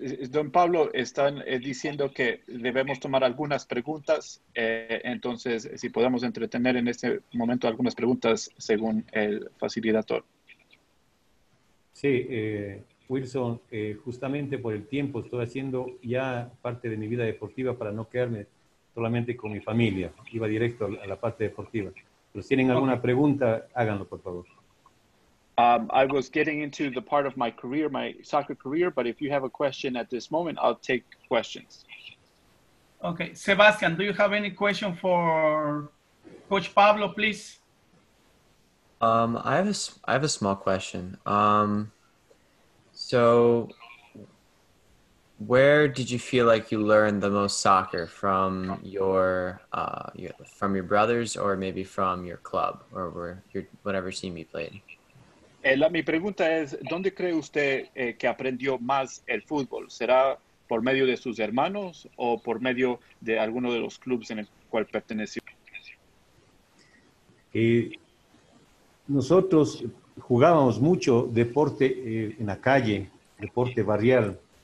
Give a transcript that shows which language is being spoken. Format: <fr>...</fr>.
<es>Don Pablo, están diciendo que debemos tomar algunas preguntas, entonces si podemos entretener en este momento algunas preguntas según el facilitador. Sí, Wilson, justamente por el tiempo estoy haciendo ya parte de mi vida deportiva para no quedarme solamente con mi familia. Iba directo a la parte deportiva. Pero si tienen alguna pregunta, háganlo por favor.</es> <en>I was getting into the part of my career, my soccer career, but if you have a question at this moment, I'll take questions. Okay. Sebastian, do you have any question for Coach Pablo, please? I have a small question. So where did you feel like you learned the most soccer from your brothers or maybe from your club or whatever team you played?</en> <es>Mi pregunta es, ¿dónde cree usted que aprendió más el fútbol? ¿Será por medio de sus hermanos o por medio de alguno de los clubes en el cual perteneció? Nosotros jugábamos mucho deporte en la calle, deporte barrial.</es>